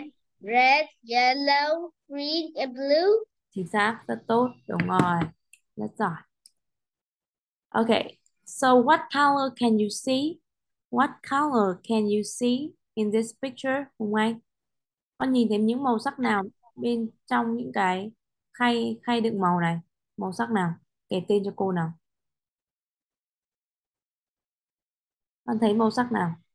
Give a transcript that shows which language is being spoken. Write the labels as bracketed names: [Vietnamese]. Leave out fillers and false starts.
[English] and red, yellow, green and blue. [Vietnamese] Chính xác, rất tốt, đúng rồi. Rất giỏi. [English] Okay, so what color can you see? What color can you see in this picture, Hùng Anh? [Vietnamese] Con nhìn thấy những màu sắc nào bên trong những cái khay khay đựng màu này? Màu sắc nào? Kể tên cho cô nào. Con thấy màu sắc nào?